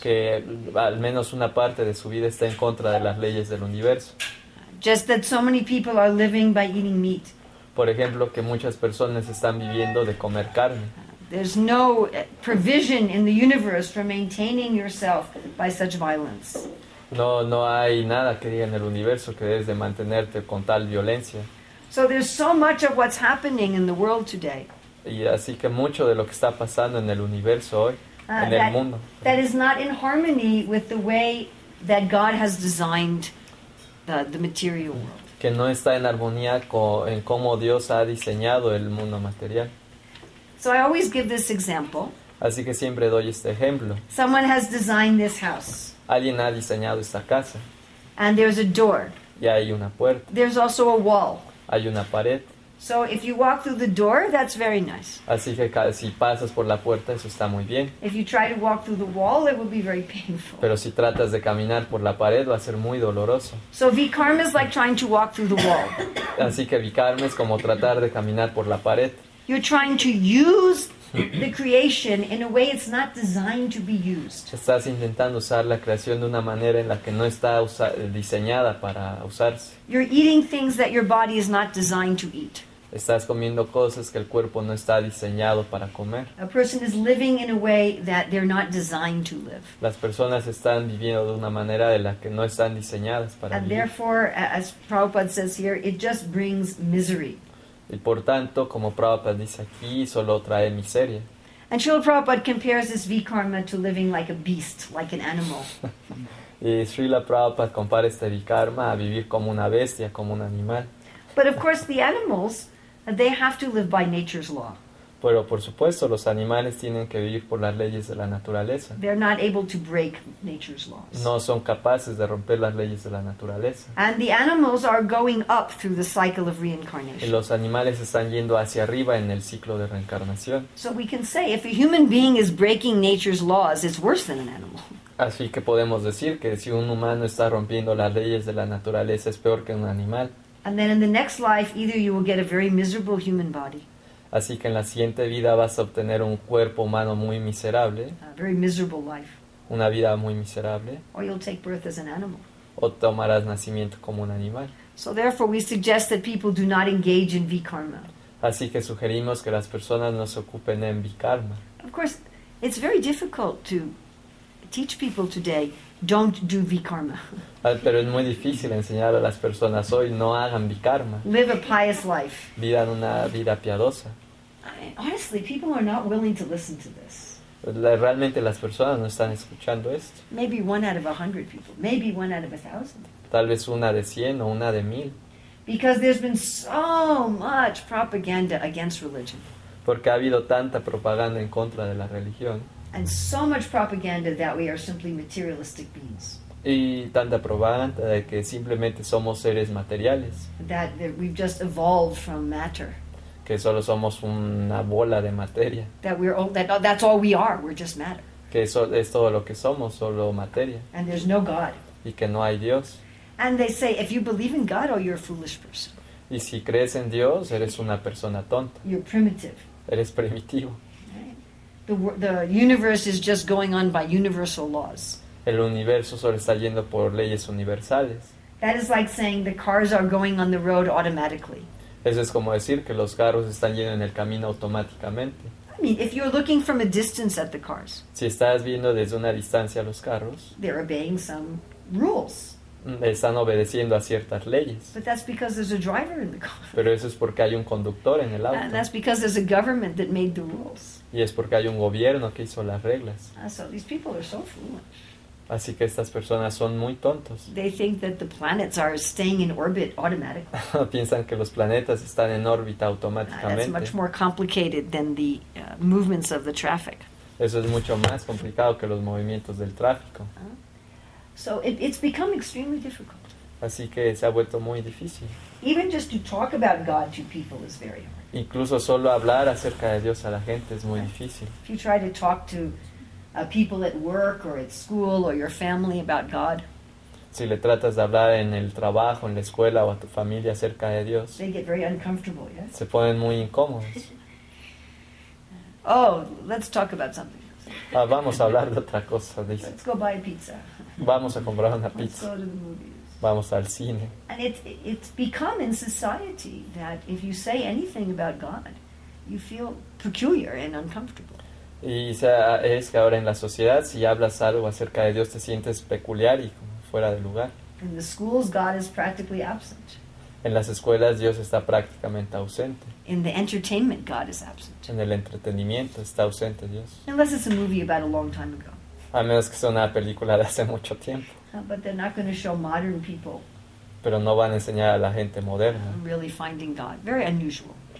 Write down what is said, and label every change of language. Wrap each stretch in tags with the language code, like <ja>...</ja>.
<es>Que al menos una parte de su vida está en contra de las leyes del universo.</es> <en>Just that so many people are living by eating meat.</en> <es>Por ejemplo, que muchas personas están viviendo de comer carne.</es> <en>There's no provision in the universe for maintaining yourself by such violence.</en> <es>No hay nada que diga en el universo que debes de mantenerte con tal violencia.</es> <en>So there's so much of what's happening in the world today.</en> <es>Y así que mucho de lo que está pasando en el universo hoy.</es> <en>That is not in harmony with the way that God has designed the material world.</en> <es>Que no está en armonía en cómo Dios ha diseñado el mundo material.</es> <en>So I always give this example.</en> <es>Así que siempre doy este ejemplo.</es> <en>Someone has designed this house.</en> <es>Alguien ha diseñado esta casa.</es> <en>And there's a door.</en> <es>Y hay una puerta.</es> <en>There's also a wall.</en> <es>Hay una pared.</es> <en>So if you walk through the door, that's very nice.</en> <es>Así que si pasas por la puerta, eso está muy bien.</es> <en>If you try to walk through the wall, it will be very painful.</en> <es>Pero si tratas de caminar por la pared, va a ser muy doloroso.</es> <en>So vikarma is like trying to walk through the wall.</en> <es>Así que vikarma es como tratar de caminar por la pared.</es> <en>You're trying to use the creation in a way it's not designed to be used.</en> <es>Estás intentando usar la creación de una manera en la que no está diseñada para usarse.</es> <en>You're eating things that your body is not designed to eat.</en> <es>Estás comiendo cosas que el cuerpo no está diseñado para comer.</es> <en>A person is living in a way that they're not designed to live.</en> <es>Las personas están viviendo de una manera de la que no están diseñadas para vivir.</es> <en>And therefore, as Prabhupada says here, it just brings misery.</en> <es>Y por tanto, como Prabhupada dice aquí, solo trae miseria.</es> <en>And Srila Prabhupada compares this vikarma to living like a beast, like an animal.</en> <es>Y Srila Prabhupada compara este vikarma a vivir como una bestia, como un animal.</es> <en>But of course the animals, They have to live by nature's law.</en> <es>Pero por supuesto, los animales tienen que vivir por las leyes de la naturaleza.</es> <en>They're not able to break nature's laws.</en> <es>No son capaces de romper las leyes de la naturaleza.</es> <en>And the animals are going up through the cycle of reincarnation.</en> <es>Y los animales están yendo hacia arriba en el ciclo de reencarnación.</es> <en>So we can say if a human being is breaking nature's laws, it's worse than an animal.</en> <es>Así que podemos decir que si un humano está rompiendo las leyes de la naturaleza, es peor que un animal.</es> <en>And then in the next life, either you will get a very miserable human body.</en> <es>Así que en la siguiente vida vas a obtener un cuerpo humano muy miserable.</es> <en>A very miserable life.</en> <es>Una vida muy miserable.</es> <en>Or you'll take birth as an animal.</en> <es>O tomarás nacimiento como un animal.</es> <en>So therefore we suggest that people do not engage in vikarma.</en> <es>Así que sugerimos que las personas no se ocupen en vikarma.</es> <en>Of course, it's very difficult to teach people today, don't do vikarma.</en> <es>Pero es muy difícil enseñar a las personas hoy, no hagan vikarma.</es> <en>Live a pious life.</en> <es>Vivan una vida piadosa.</es> <en>Honestly, people are not willing to listen to this.</en> <es>Realmente las personas no están escuchando esto.</es> <en>Maybe one out of 100 people. Maybe one out of 1,000.</en> <es>Tal vez una de 100 o una de 1,000.</es> <en>Because there's been so much propaganda against religion.</en> <es>Porque ha habido tanta propaganda en contra de la religión.</es> <en>And so much propaganda that we are simply materialistic beings.</en> <es>Y tanta propaganda de que simplemente somos seres materiales.</es> <en>That we've just evolved from matter.</en> <es>Que solo somos una bola de materia.</es> <en>That's all we are. We're just matter.</en> <es>Que eso es todo lo que somos, solo materia.</es> <en>And there's no God.</en> <es>Y que no hay Dios.</es> <en>And they say, if you believe in God, oh, you're a foolish person.</en> <es>Y si crees en Dios, eres una persona tonta.</es> <en>You're primitive.</en> <es>Eres primitivo.</es> <en>The universe is just going on by universal laws.</en> <es>El universo solo está yendo por leyes universales.</es> <en>That is like saying the cars are going on the road automatically.</en> <es>Eso es como decir que los carros están yendo en el camino automáticamente.</es> <en>I mean, if you're looking from a distance at the cars.</en> <es>Si estás viendo desde una distancia a los carros.</es> <en>They're obeying some rules.</en> <es>Están obedeciendo a ciertas leyes.</es> <en>But that's because there's a driver in the car.</en> <es>Pero eso es porque hay un conductor en el auto.</es> <en>And that's because there's a government that made the rules.</en> <es>Y es porque hay un gobierno que hizo las reglas.</es> <en>So these people are so foolish.</en> <es>Así que estas personas son muy tontos.</es> <en>They think that the planets are staying in orbit automatically.</en> <es>Piensan que los planetas están en órbita automáticamente.</es> <en>That's much more complicated than the movements of the traffic.</en> <es>Eso es mucho más complicado que los movimientos del tráfico.</es> <en>So it's become extremely difficult.</en> <es>Así que se ha vuelto muy difícil.</es> <en>Even just to talk about God to people is very hard.</en> <es>Incluso solo hablar acerca de Dios a la gente es muy difícil.</es> <en>If you try to talk to people at work or at school or your family about God,</en> <es>si le tratas de hablar en el trabajo, en la escuela o a tu familia acerca de Dios,</es> <en>they get very uncomfortable, yeah?</en> <es>Se ponen muy incómodos.</es> <en>Oh, let's talk about something else.</en> <es>Ah, vamos a hablar de otra cosa, dice.</es> <en>Let's go buy a pizza.</en> <es>Vamos a comprar una pizza.</es> <en>Let's go to the movies.</en> <es>Vamos al cine.</es> <en>And it's become in society that if you say anything about God, you feel peculiar and uncomfortable.</en> <es>Y es que ahora en la sociedad, si hablas algo acerca de Dios, te sientes peculiar y como fuera de lugar.</es> <en>In the schools, God is practically absent.</en> <es>En las escuelas, Dios está prácticamente ausente.</es> <en>In the entertainment, God is absent.</en> <es>En el entretenimiento, está ausente Dios.</es> <en>Unless it's a movie about a long time ago.</en> <es>A menos que sea una película de hace mucho tiempo.</es> <en>But they're not going to show modern people.</en> <es>Pero no van a enseñar a la gente moderna.</es> <en>Really finding God, very unusual.</en>